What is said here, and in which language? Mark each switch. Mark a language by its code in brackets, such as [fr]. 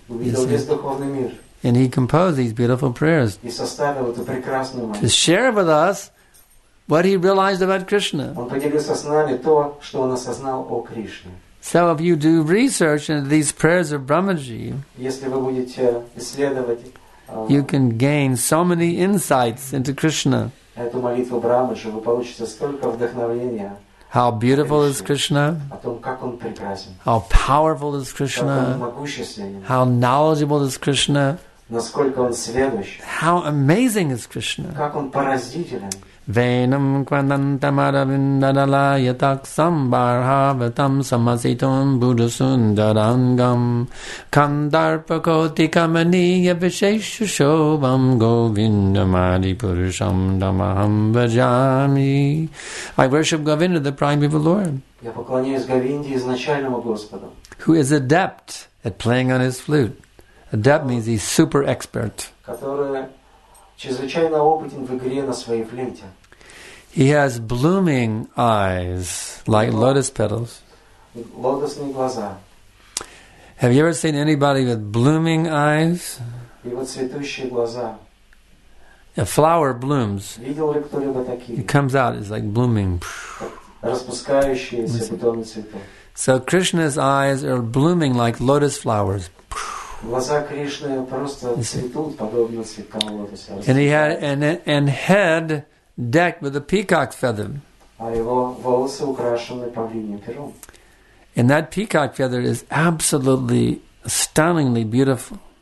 [en] And he composed these beautiful prayers to share with us what he realized about Krishna. So if you do research into these prayers of Brahmaji, you can gain so many insights into Krishna. [ru] Эту молитву Брамаджи вы получите столько вдохновения. [en] How beautiful is Krishna? How powerful is Krishna? How knowledgeable is Krishna? [ru] Насколько он сведущ? [en] How amazing is Krishna? [ru] Как он поразителен? [sa] Venam kvantamaravindadala yataksam barhavatam samasitam buddhasundarangam kandarpakotikamaniya visheshushobam govindamadipurusham damaham vajami. [en] I worship Govinda, the Prime Evil Lord. [ru] Я поклоняюсь Говинде, изначальному Господу. [en] Who is adept at playing on his flute. Adept means he's super expert. [ru] Который чрезвычайно опытен в игре на своей флейте. [en] He has blooming eyes like lotus petals. [ru] Лотосные глаза. [en] Have you ever seen anybody with blooming eyes? [ru] И вот цветущие глаза. [en] A flower blooms. [ru] Видел ли кто-либо такие? [en] It comes out, it's like blooming. [ru] Распускающиеся бутоны цветов. [en] So Krishna's eyes are blooming like lotus flowers. [ru] Глаза Кришны просто цветут подобно цветкам лотоса. [en] And he had and head decked with a peacock feather. And that peacock feather is absolutely, astoundingly beautiful.